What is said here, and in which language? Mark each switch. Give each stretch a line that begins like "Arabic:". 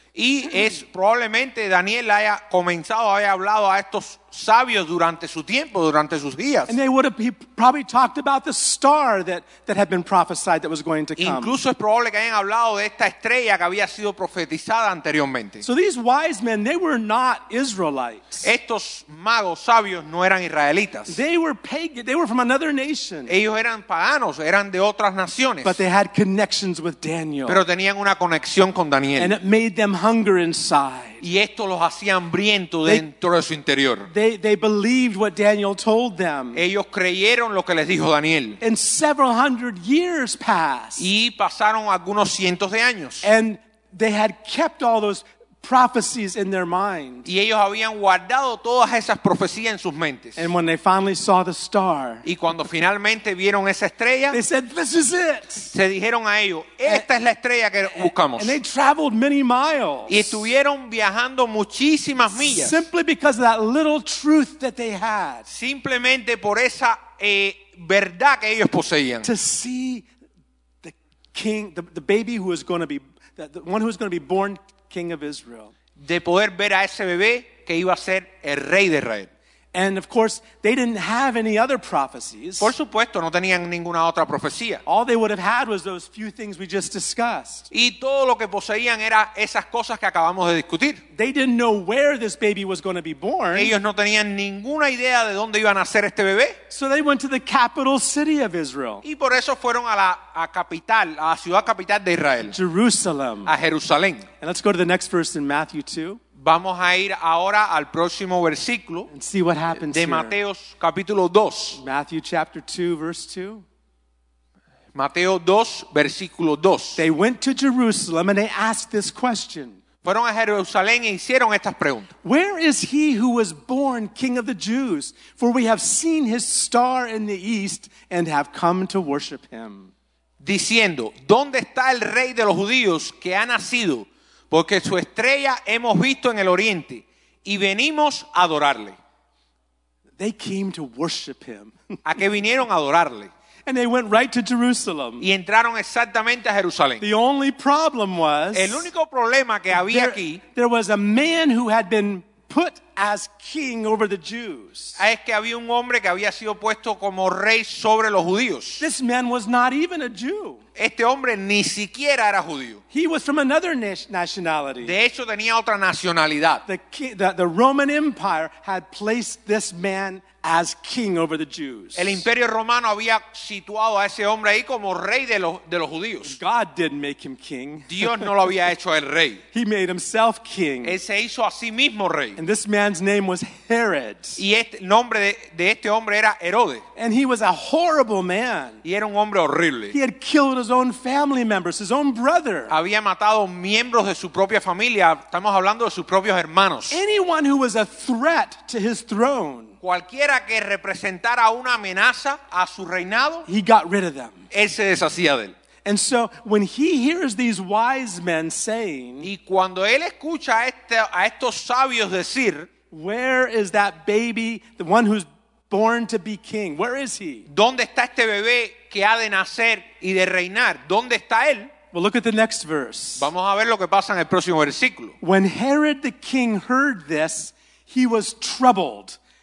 Spanish: Y es probablemente Daniel haya comenzado, haya hablado a estos sabios durante su tiempo, durante sus días.
English: And they would have probably talked about the star that had been prophesied that was going to come.
Spanish: Incluso es probable que hayan hablado de esta estrella que había sido profetizada anteriormente.
English: So these wise men, they were not Israelites.
Spanish: Estos magos sabios no eran israelitas.
English: They were pagan. They were from another nation.
Spanish: Ellos eran paganos, eran de otras naciones.
English: But they had connections with Daniel.
Spanish: Pero tenían una conexión con Daniel.
English: And it made them hunger inside.
Spanish: Y esto los hacía hambriento dentro de su interior.
English: They believed what Daniel told them.
Spanish: Ellos creyeron lo que les dijo Daniel.
English: And several hundred years passed.
Spanish: Y pasaron algunos cientos de años.
English: And they had kept all those prophecies in their mind.
Spanish: Y ellos habían guardado todas esas profecías en sus mentes.
English: And when they finally saw the star,
Spanish: y cuando finalmente vieron esa estrella,
English: they said, "This is it."
Spanish: Se dijeron a ellos, "Esta es la estrella que buscamos."
English: And they traveled many miles.
Spanish: Y estuvieron viajando muchísimas millas.
English: Simply because of that little truth that they had.
Spanish: Simplemente por esa verdad que ellos poseían.
English: To see the king, the baby who is going to be the one who is going to be born King of Israel.
Spanish: De poder ver a ese bebé que iba a ser el rey de Israel.
English: And of course, they didn't have any other prophecies.
Spanish: Por supuesto, no tenían ninguna otra profecía.
English: All they would have had was those few things we just discussed.
Spanish: Y todo lo que poseían era esas cosas que acabamos de discutir.
English: They didn't know where this baby was going to be born.
Spanish: Ellos no tenían ninguna idea de dónde iba a nacer este bebé.
English: So they went to the capital city of Israel.
Spanish: Y por eso fueron a la capital, a la ciudad capital de Israel.
English: Jerusalem.
Spanish: A Jerusalén.
English: And let's go to the next verse in Matthew 2.
Spanish: Vamos a ir ahora al próximo versículo de Mateo capítulo 2.
English: Matthew chapter 2 verse 2.
Spanish: Mateo 2 versículo 2.
English: They went to Jerusalem and they asked this question.
Spanish: Fueron a Jerusalén e hicieron estas preguntas.
English: Where is he who was born king of the Jews? For we have seen his star in the east and have come to worship him.
Spanish: Diciendo, ¿dónde está el rey de los judíos que ha nacido? Porque su estrella hemos visto en el oriente y venimos a adorarle.
English: They came to worship him.
Spanish: ¿A qué vinieron a adorarle?
English: And they went right to Jerusalem.
Spanish: Y entraron exactamente a Jerusalén.
English: The only problem was,
Spanish: el único problema que había aquí,
English: there was a man who had been put as king over the Jews.
Spanish: Es que había un hombre que había sido puesto como rey sobre los judíos.
English: This man was not even a Jew.
Spanish: Este hombre ni siquiera era judío.
English: He was from another nationality.
Spanish: De hecho, tenía otra nacionalidad.
English: The Roman Empire had placed this man as king over the Jews.
Spanish: El Imperio Romano había situado a ese hombre ahí como rey de los judíos.
English: God didn't make him king.
Spanish: Dios no lo había hecho el rey.
English: He made himself king.
Spanish: Él se hizo a sí mismo rey.
English: And this man's name was Herod.
Spanish: Y este nombre de este hombre era Herodes.
English: And he was a horrible man.
Spanish: Y era un hombre horrible.
English: He had killed his own family members, his own brother.
Spanish: Había matado miembros de su propia familia. Estamos hablando de sus propios hermanos.
English: Anyone who was a threat to his throne.
Spanish: Cualquiera que representara una amenaza a su reinado,
English: he got rid of them.
Spanish: Él se deshacía de él.
English: And so when he hears these wise men saying,
Spanish: y cuando él escucha a estos sabios decir,
English: where is that baby, the one who's born to be king? Where is he?
Spanish: ¿Dónde está este bebé que ha de nacer y de reinar? ¿Dónde está él?
English: Well, look at the next verse.
Spanish: Vamos a ver lo que pasa en el próximo versículo.
English: When Herod the king heard this, he was troubled.